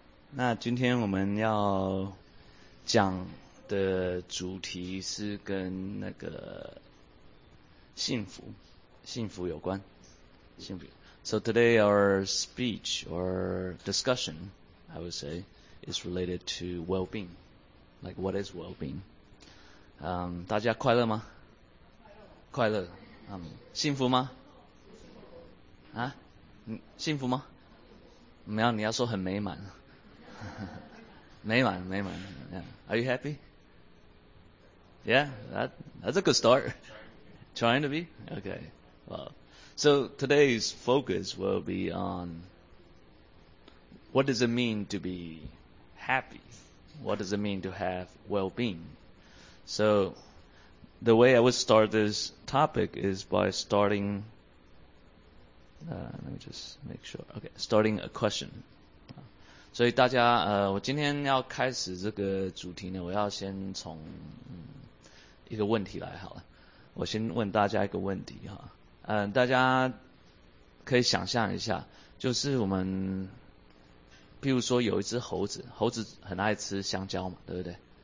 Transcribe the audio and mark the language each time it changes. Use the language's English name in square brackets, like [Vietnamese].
[Chinese] 那今天我们要讲的主题是跟那个幸福有关。幸福。 [English] So today our speech or discussion, I would say, is related to well-being, like what is well-being？ [Chinese] 大家快乐吗？快乐。幸福吗？啊，你幸福吗？没有，你要说很美满，美满美满。 [English] Yeah. Are you happy? Yeah, that's a good start. Trying to be? Okay. Well, so today's focus will be on what does it mean to be happy? What does it mean to have well-being? So the way I would start this topic is by starting... let me just make sure. Okay, starting a question. [Chinese] 所以大家我今天要开始这个主题呢，我要先从一个问题来好了。我先问大家一个问题哈。大家可以想象一下，就是我们譬如说有一只猴子，猴子很爱吃香蕉嘛，对不对？